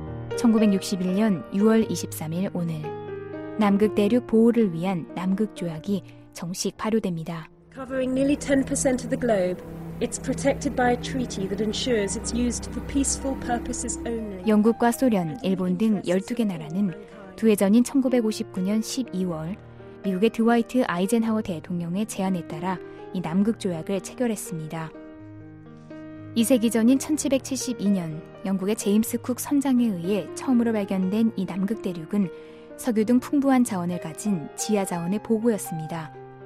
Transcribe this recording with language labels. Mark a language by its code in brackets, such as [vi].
[ko] 1961년 6월 23일 오늘 남극 대륙 보호를 위한 남극 조약이 정식 발효됩니다. [en] Covering nearly 10% of the globe, it's protected by a treaty that ensures it's used for peaceful purposes only. [ko] 영국과 소련, 일본 등 12개 나라는 두 해 전인 1959년 12월 미국의 드와이트 아이젠하워 대통령의 제안에 따라 이 남극 조약을 체결했습니다. 2세기 전인 1772년 영국의 제임스 쿡 선장에 의해 처음으로 발견된 이 남극 대륙은 석유 등 풍부한 자원을 가진 지하 자원의 보고였습니다.